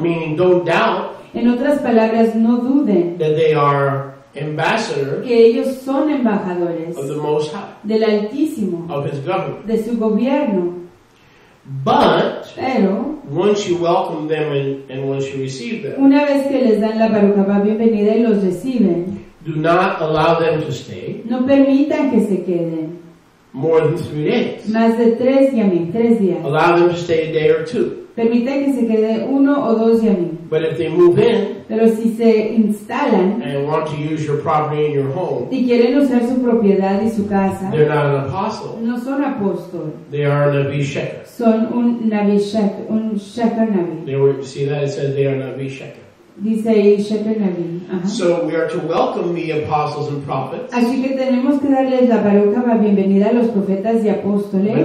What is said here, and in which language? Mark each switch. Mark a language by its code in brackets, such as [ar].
[en] Meaning, don't doubt. [es] En otras palabras, no duden. [en] That they are ambassador, [es] que ellos son embajadores [en] of the Most High, [es] del Altísimo, [en] of his government, [es] de su gobierno. [en] But [es] pero, [en] once you welcome them and once you receive them, [es] una vez que les dan la barucaba bienvenida y los reciben, [en] do not allow them to stay. [es] No permitan que se queden [en] more than 3 days. [es] Más de tres yamim, 3 días. [en] Allow them to stay a day or two. [es] Permita que se quede uno o dos yamim. [en] But if they move in. [es] Pero si se instalan [en] and want to use your property and your home, [es] y quieren usar su propiedad y su casa, [en] they're not an apostle. [es] No son apóstol. [en] They are a Navi Sheker. [es] Son un Navi Sheker, un Sheker Navi. [en] They were, see that? It says they are Navi Sheker. [es] Dice Sheker Navi. Uh-huh. [en] So we are to welcome the apostles and prophets. [es] Así que tenemos que darles la baruca, la bienvenida a los profetas y apóstoles.